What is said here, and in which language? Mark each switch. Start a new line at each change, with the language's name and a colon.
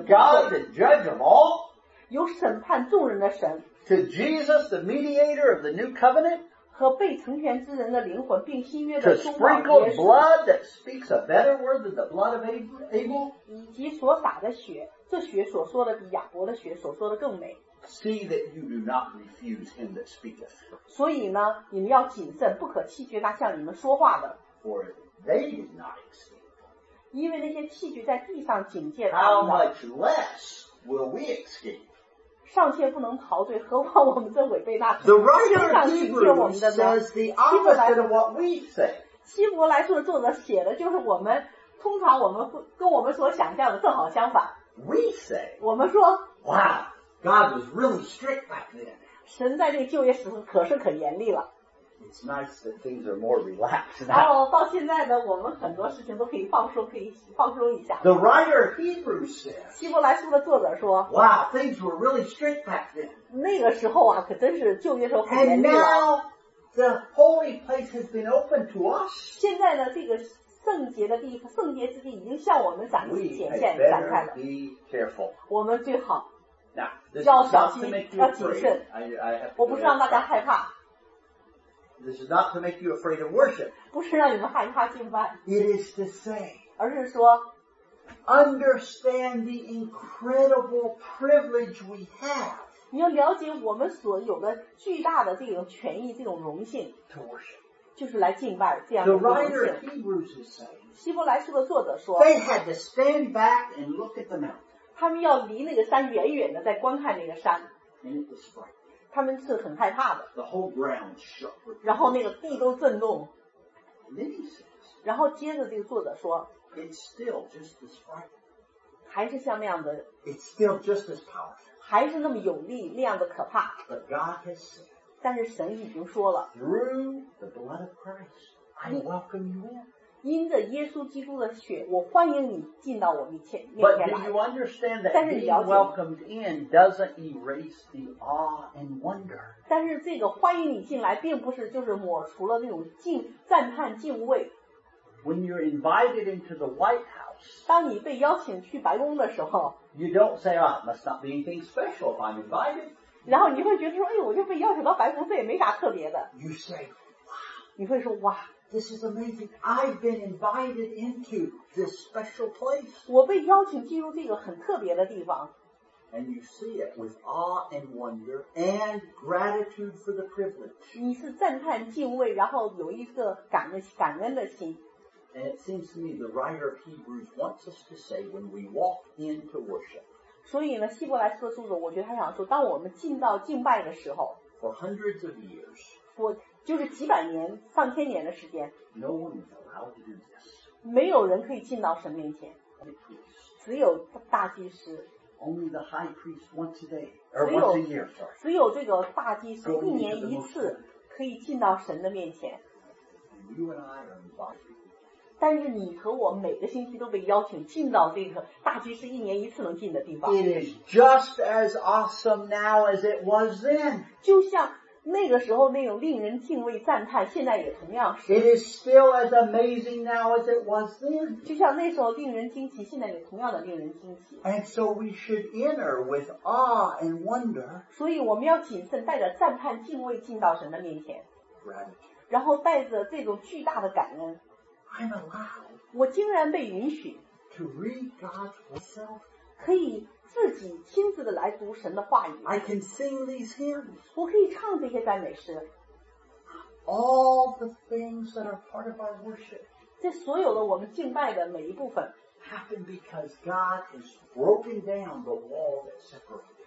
English: to God the judge of all,
Chinese: 有审判众人的神
English: to Jesus the mediator of the new covenant,
Chinese: 和被成全之人的灵魂，并新约的中保耶稣。
English: To sprinkle blood that speaks a better word than the blood of Abel.
Chinese: 以及所洒的血，这血所说的比亚伯的血所说的更美。
English: See that you do not refuse him that speaketh.
Chinese: 所以呢，你们要谨慎，不可弃绝他向你们说话的。
English: For they did not escape.
Chinese: 因为那些弃绝在地上警戒他们。
English: How much less will we escape?
Chinese: 尚且不能陶醉，何况我们这违背那
English: ？The writer of Hebrews says the opposite of what we say.
Chinese: 希伯来书的作者写的就是我们，通常我们跟我们所想象的正好相反。
English: We say.
Chinese: 我们说。
English: Wow, God was really strict back then.
Chinese: 神在这个旧约时可是可严厉了。
English: It's nice that things are more relaxed now.
Chinese: 哦，到现在呢，我们很多事情都可以放松，可以放松一下。
English: The writer of Hebrews says.
Chinese: 希伯来书的作者说
English: ，Wow, things were really strict back then.
Chinese: 那个时候啊，可真是旧约时候很严厉了。
English: And now the holy place has been opened to us.
Chinese: 现在呢，这个圣洁的地方，圣洁之地已经向我们展开了。
English: We better be careful.
Chinese: 我们最好
English: now,
Chinese: 要小心，要谨慎。
English: I
Chinese: 我不是让大家害怕。
English: This is not to make you afraid of worship.
Chinese: 不是让你们害怕敬拜。
English: It is to say.
Chinese: 而是说
English: understand the incredible privilege we have.
Chinese: 你要了解我们所有的巨大的这个权益，这种荣幸。
English: To worship.
Chinese: 就是来敬拜这样的荣幸。
English: The writer of Hebrews is saying.
Chinese: 希伯来书的作者说
English: They had to stand back and look at the mountain.
Chinese: 他们要离那个山远远的在观看那个山。
English: And it was frightening.
Chinese: 他们是很害怕的。
English: The whole ground shook.
Chinese: 然后那个地都震动。
English: And then he says,
Chinese: 然后接着这个作者说
English: It's still just as frightening.
Chinese: 还是像那样的。
English: It's still just as powerful.
Chinese: 还是那么有力，那样的可怕。
English: But God has said,
Chinese: 但是神已经说了。
English: Through the blood of Christ, I welcome you in.
Chinese: 因着耶稣基督的血，我欢迎你进到我面前。
English: But do you understand that being welcomed in doesn't erase the awe and wonder?
Chinese: 但是这个欢迎你进来，并不是就是抹除了那种敬赞叹敬畏。
English: When you're invited into the White House,
Chinese: 当你被邀请去白宫的时候
English: ，you don't say, "Ah, must not be anything special if I'm invited."
Chinese: 然后你会觉得说，哎，我就被邀请到白宫，这也没啥特别的。
English: You say, "Wow."
Chinese: 你会说，哇。
English: This is amazing. I've been invited into this special place.
Chinese: 我被邀请进入这个很特别的地方。
English: And you see it with awe and wonder and gratitude for the privilege.
Chinese: 你是赞叹敬畏，然后有一个感恩的心。
English: And it seems to me the writer of Hebrews wants us to say when we walk into worship.
Chinese: 所以呢，希伯来书的作者，我觉得他想说，当我们进到敬拜的时候。
English: For hundreds of years.
Chinese: 就是几百年上千年的时间
English: no one is allowed to do this.
Chinese: 没有人可以进到神面前只有大祭司
English: Only the high priest once a day, or once a year, sorry.
Chinese: 只有这个大祭司一年一次可以进到神的面前
English: you and I are invited.
Chinese: 但是你和我每个星期都被邀请进到这个大祭司一年一次能进的地方
English: It is just as awesome now as it was then.
Chinese: 就像那个时候那种令人敬畏赞叹现在也同样是
English: It is still as amazing now as it was then.
Chinese: 就像那时候令人惊奇现在也同样的令人惊奇
English: And so we should enter with awe and wonder.
Chinese: 所以我们要谨慎带着赞叹敬畏进到神的面前
English: Gratitude.
Chinese: 然后带着这种巨大的感恩
English: I'm allowed.
Chinese: 我竟然被允许
English: to read God himself.
Chinese: 可以自己亲自的来读神的话语
English: I can sing these hymns
Chinese: 我可以唱这些赞美诗
English: All the things that are part of our worship
Chinese: 这所有的我们敬拜的每一部分
English: happen because God has broken down the wall that separates